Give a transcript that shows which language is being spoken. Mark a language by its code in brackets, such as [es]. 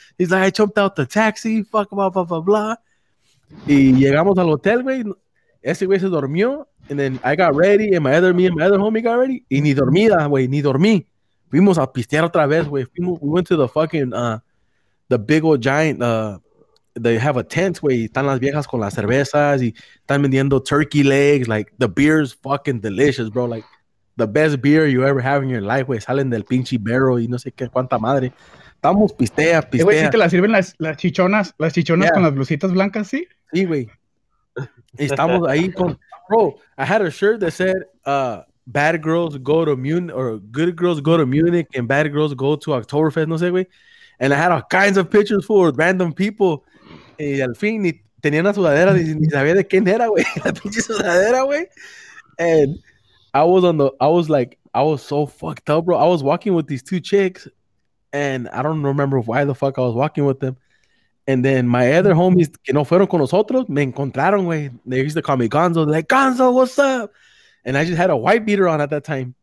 [en] He's like, I jumped out the taxi. Fuck, blah, blah, blah, blah. [es] Y llegamos al hotel, güey. Ese güey se durmió. [en] And then I got ready. And my other homie got ready. [es] Y ni dormida, güey. Ni dormí. Fuimos a pistear otra vez, güey. [en] We went to the fucking, the big old giant, they have a tent, güey. [es] Están las viejas con las cervezas y están vendiendo turkey legs. [en] Like, the beer is fucking delicious, bro. Like, the best beer you ever have in your life, güey. [es] Salen del pinche barrel y no sé qué, cuánta madre. Estamos pistea. Güey, ¿sí te la sirven las chichonas yeah, con las blusitas blancas, sí? Sí, güey. Estamos ahí con... [en] Bro, I had a shirt that said, bad girls go to Munich, or good girls go to Munich and bad girls go to Oktoberfest, [es] no sé, güey. [en] And I had all kinds of pictures for random people. [es] Y al fin, ni tenía una sudadera, ni sabía de quién era, güey. La pinche sudadera, güey. [en] And I was on the, I was like, I was so fucked up, bro. I was walking with these two chicks, and I don't remember why the fuck I was walking with them. And then my other homies, [es] que no fueron con nosotros, me encontraron, güey. [en] They used to call me Gonzo. They're like, Gonzo, what's up? And I just had a white beater on at that time.